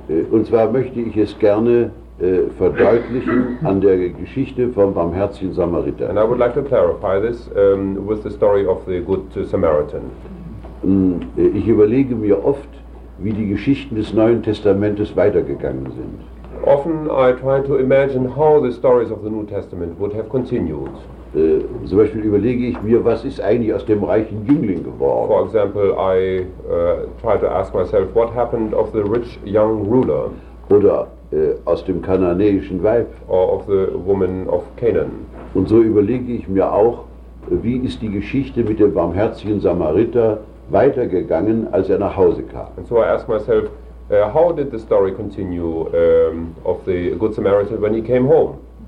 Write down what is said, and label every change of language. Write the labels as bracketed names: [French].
[German] Und zwar möchte ich es gerne verdeutlichen an der Geschichte vom barmherzigen Samariter. [English] And I would like to clarify this with the story of the good Samaritan. [German] Ich überlege mir oft, wie die Geschichten des Neuen Testamentes weitergegangen sind. [English] Often I try to imagine how the stories of the New Testament would have continued. [German] Zum Beispiel überlege ich mir, was ist eigentlich aus dem reichen Jüngling geworden? [English] For example, I try to ask myself, what happened of the rich young ruler? [German] Oder aus dem kananäischen Weib? [English] Or of the woman of Canaan? [German] Und so überlege ich mir auch, wie ist die Geschichte mit dem barmherzigen Samariter weitergegangen, als er nach Hause kam? [English] And so I ask myself, how did the story continue of the Good Samaritan when he came home?